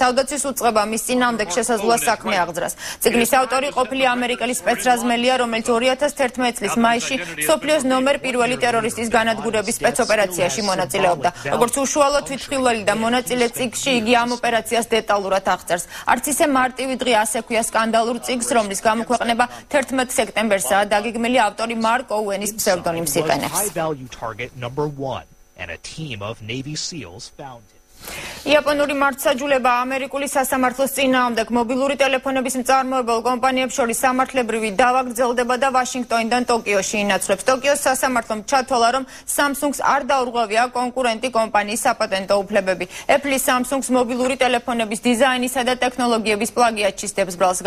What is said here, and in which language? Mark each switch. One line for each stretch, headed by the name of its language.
Georgian: თავდაცვის უწყება მის წინააღმდეგ შესაძლოა საქმე აღძრას. წიგნის ავტორი ყოფილი ამერიკელი სპეცრაზმელია, რომელიც 2011 წლის მაისში სოფლიოს ნომერ პირველი ტერორისტის განადგურების სპეცოპერაციაში მონაწილეობდა. როგორც უშუალო თვითმხილველი და მონაწილე წიგში იგი ამ ოპერაციას დეტალურად აღწერს. არც ისე მარტივი დღე ასე ქვია სკანდალურ წიგს, რომლის გამოქვეყნება 11 სექტემბერსაა დაგეგმილი ავტორი მარკ ოუენის ფსევდონიმს იყენებს.
English: High value target number one and a team of Navy SEALs found it.
Georgian: იაპონური მართსაჯულება ამერიკული სასამართლოს წინააღმდეგ მობილური ტელეფონების მწარმოებელ კომპანიებს შორის სამართლებრივი დავა გრძელდება და ვაშინგტონიდან ტოკიოში ინაცვლებს. ტოკიოს სასამართლომ ჩათვალა, რომ Samsung-ს არ დაურღვევია კონკურენტი კომპანიის საპატენტო უფლებები. Apple-ი Samsung-ს მობილური ტელეფონების დიზაინისა და ტექნოლოგიების პლაგიატში სდებს ბრალს.